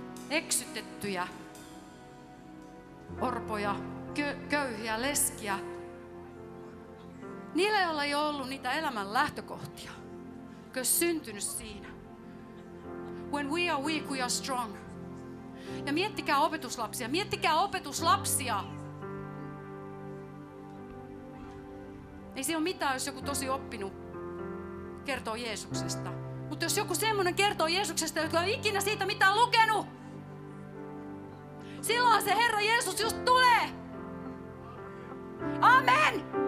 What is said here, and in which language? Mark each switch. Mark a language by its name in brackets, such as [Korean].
[Finnish] eksytettyjä, orpoja, köyhiä, leskiä. Niillä, joilla ei ollut niitä elämän lähtökohtia, jotka olisi syntynyt siinä. [English] When we are weak, we are strong. [Finnish] Ja miettikää opetuslapsia, miettikää opetuslapsia. Ei se ole mitään, jos joku tosi oppinut kertoo Jeesuksesta. Mutta jos joku semmoinen kertoo Jeesuksesta, joka on ikinä siitä mitään lukenut, silloin se Herra Jeesus just tulee. Amen!